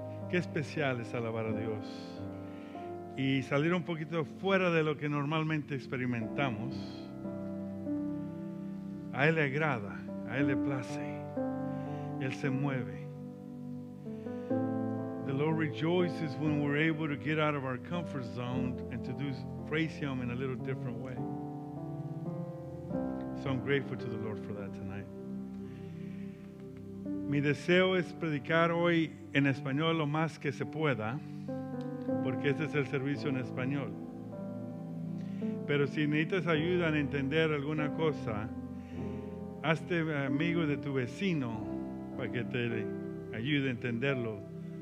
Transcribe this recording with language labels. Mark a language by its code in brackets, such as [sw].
[es] Qué especial es alabar a Dios y salir un poquito fuera de lo que normalmente experimentamos. A Él le agrada, a Él le place, Él se mueve. [en] The Lord rejoices when we're able to get out of our comfort zone and to do praise Him in a little different way. So I'm grateful to the Lord for that tonight. [es] Mi deseo es predicar hoy en español lo más que se pueda, porque este es el servicio en español. Pero si necesitas ayuda en entender alguna cosa, hazte amigo de tu vecino para que te ayude a entenderlo.